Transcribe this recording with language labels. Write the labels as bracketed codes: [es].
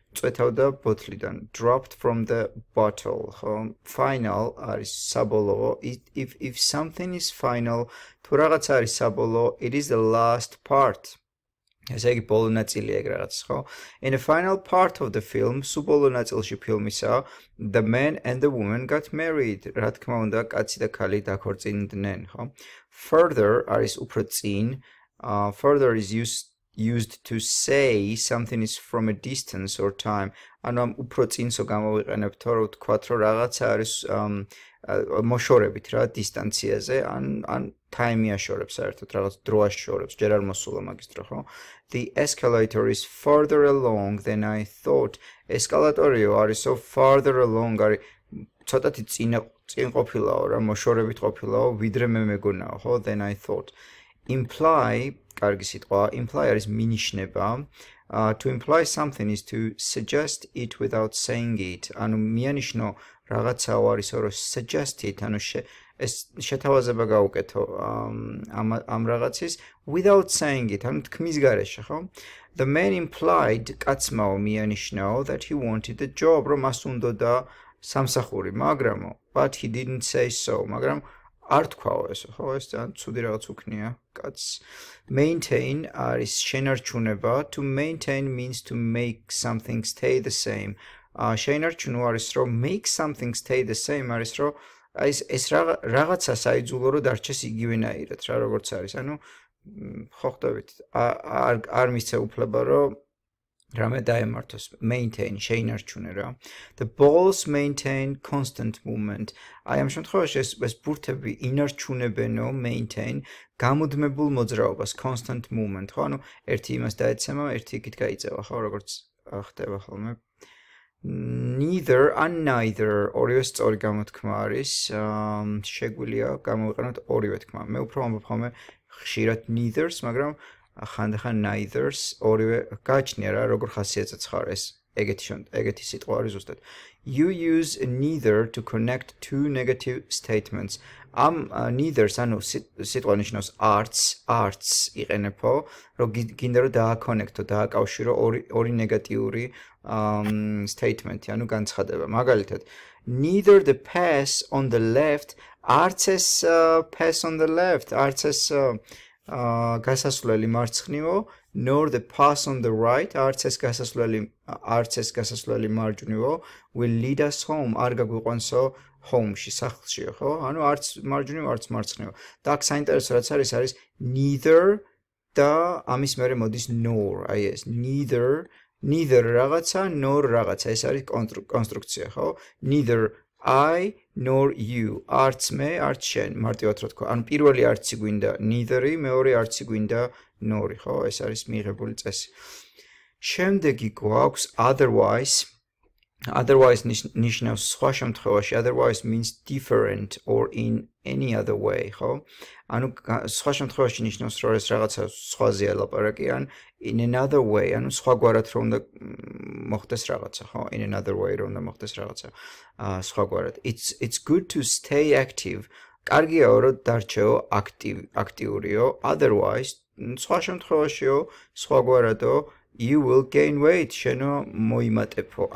[ka] წვეთავდა ბოთლიდან. [en] Dropped from the bottle. [ka] Final არის საბოლოო. [en] If something is final, [ka] თუ რაღაც არის საბოლოო, [en] it is the last part. [ka] ესე იგი ბოლო ნაწილია ეგ რაღაც, ხო? [en] In the final part of the film, [ka] სულ ბოლო ნაწილში ფილმისა, [en] the man and the woman got married. [ka] რა თქმა უნდა, კაცი და ქალი დაქორწინდნენ, ხო? Further არის უფრო წინ. [en] Further is used to say something is from a distance or time. [ka] ანუ ამ უფრო წინსო გამოვიყენებთ, რომ ვთქვათ, რომ რაღაცა არის მოშორებით რა, დისტანციაზე, ან time-ი აშორებს საერთოდ, რაღაც დრო აშორებს, ჯერ არ მოსულა მაგის დრო, ხო? [en] The escalator is further along than I thought. [ka] Escalatorio არისო [en] further along, [ka] არის ცოტათი წინ ყოფილაო რა, მოშორებით ყოფილაო, ვიდრე მე მეგონაო, ხო? [en] Than I thought. [ka] Imply, კარგი სიტყვა, imply არის მინიშნება. [en] To imply something is to suggest it without saying it. [ka] ანუ მიანიშნო რაღაცაო არისო, რომ suggest it, ანუ ეს შეთავაზება გაუკეთო ამ რაღაცის, [en] without saying it, [ka] ანუ თქმის გარეშე, ხო? [en] The man implied, [ka] კაცმაო მიანიშნა, [en] that he wanted the job, [ka] რომ მას უნდოდა სამსახური, მაგრამ, [en] but he didn't say so, [ka] მაგრამ არ თქვაო ეს, ხო? ეს ძალიან ცუდი რაღაც უქნია კაცს. Maintain არის შენარჩუნება. [en] To maintain means to make something stay the same. [ka] შენარჩუნო არის, რომ [en] make something stay the same [ka] არის, რომ აი ეს რაღაცა საიძულო რომ დარჩეს იგივენაირად რა, როგორც არის. ანუ ხო ხდებით, არ მისცე უფლება რომ რამე დაემართოს. Maintain, შეინარჩუნე რა. [en] The balls maintain constant movement. [ka] აი ამ შემთხვევაში ეს ბურთები ინარჩუნებენო, maintain, გამუდმებულ მოძრაობას, [en] constant movement, [ka] ხო? ანუ ერთი იმას დაეცემა, ერთი იქით გაიწევა, ხო, როგორც ხდება ხოლმე. Neither and neither, ორივე სწორი გამოთქმა არის. შეგვილია გამოვიყენოთ ორივე თქმა. მე უფრო ამბობ ხოლმე ხშირად neither-ს, მაგრამ ხანდახან neither-ს ორივე გაჩნია რა, როგორ ხასიათზეც ხარ ეს. ეგეთი სიტყვა არის ზუსტად. [en] You use neither to connect two negative statements. [ka] ამ neither-ს, ანუ სიტყვა ნიშნავს arts იყენებო, რომ გინდა რომ დააკონექტო, დააკავშირო ორი ნეგატიური statement-ი, ანუ განცხადება. [en] მაგალითად, neither the pass on the left, arts is pass on the left, arts is [ka] გასასვლელი მარცხნივო, [en] nor the pass on the right, [ka] arts es gasasvleli marjnivo [en] will lead us home, [ka] არ გაგვიყვანსო [en] home-ში, სახლში, ხო? [ka] ანუ arts marjnivo, arts marcnivo. და აქ საინტერესო რაც არის neither და ამის მერე მოდის nor, აი ეს neither რაღაცა, nor რაღაცა, ეს არის კონსტრუქცია, ხო? [en] Neither I nor you, [ka] arts me, arts shen, მარტივად რა თქვა. ანუ პირველი arts-ი გვინდა neither-ი, მეორე arts-ი გვინდა nor-ი, ხო? ეს არის მიღებული წესი. შემდეგი გვაქვს otherwise. Otherwise ნიშნავს სხვა შემთხვევაში. [en] Otherwise means different or in any other way, ხო? [ka] ანუ სხვა შემთხვევაში ნიშნავს, რომ ეს რაღაცა სხვაზე ელაპარაკიან, [en] in another way, [ka] ანუ სხვაგვარად რომ უნდა მოხდეს რაღაცა, ხო? [en] In another way [ka] რომ უნდა მოხდეს რაღაცა. სხვაგვარად. [en] It's good to stay active. [ka] კარგია, რომ დარჩეო აქტიურიო. Otherwise, სხვა შემთხვევაშიო, სხვაგვარადო, [en] you will gain weight, [ka] შენო მოიმატებო.